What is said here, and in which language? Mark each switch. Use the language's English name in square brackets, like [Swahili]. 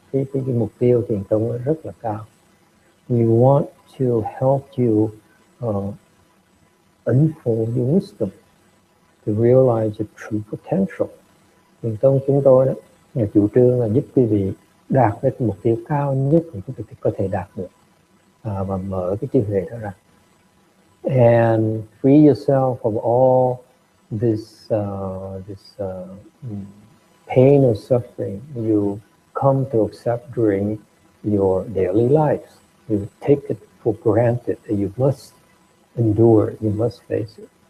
[Vietnamese] Cái mục tiêu thiền tông rất là cao. [English] We want to help you unfold your wisdom to realize your true potential. [Vietnamese] Thiền tông chúng tôi đó, là chủ trương là giúp quý vị đạt được mục tiêu cao nhất mà quý vị có thể đạt được và mở cái trí huệ đó ra. [English] And free yourself from all this pain or suffering you come to accept during your daily life. You take it for granted that you must endure, you must face it.